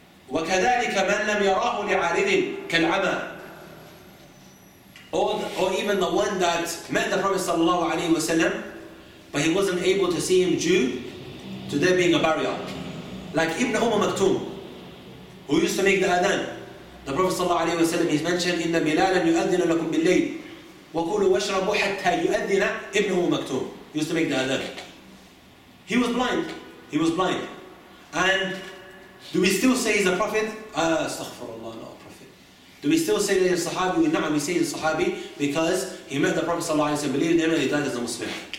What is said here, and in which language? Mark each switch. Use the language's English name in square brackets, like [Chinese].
[Arabic] وَكَذَلِكَ مَنْ لَمْ يَرَاهُ لِعَارِضٍ كَالْعَمَى. [English] Or even the one that met the Prophet ﷺ, but he wasn't able to see him due to there being a barrier. Like Ibn Umar Maktoum, who used to make the adhan. [Arabic] The Prophet صلى الله عليه وسلم, [English] he mentioned, [Arabic] إِنَّ مِلَالًا يُؤَذِّنَ لَكُمْ بِاللَّيْلِ وَكُولُوا وَاشْرَبُوا حَتَّى يُؤَذِّنَ إِبْنُهُ مَكْتُومٌ. [English] He used to make the adhan. He was blind. And do we still say he's a prophet? [Arabic] أستغفر الله, [English] not a prophet. Do we still say that he's a sahabi? We say he's a sahabi because he met the Prophet صلى الله عليه وسلم, believed him, and he died as a Muslim.